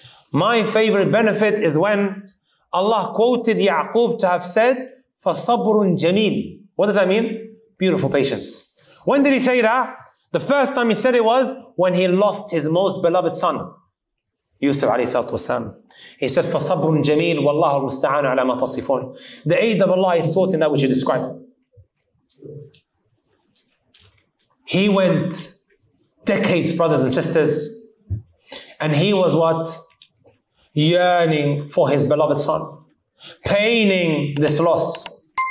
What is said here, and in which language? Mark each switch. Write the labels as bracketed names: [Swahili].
[English] My favorite benefit is when Allah quoted Ya'qub to have said, [Arabic] فَصَبْرٌ جَمِيلٌ. [English] What does that mean? Beautiful patience. When did he say that? The first time he said it was when he lost his most beloved son, Yusuf alayhi salatu wasalam. He said, [Arabic] فَصَبْرٌ جَمِيلٌ وَاللَّهُ الْمُسْتَعَانُ عَلَى مَا تَصِفُونَ. [English] The aid of Allah is sought in that which you describe. He went decades, brothers and sisters, and he was what? Yearning for his beloved son, paining this loss.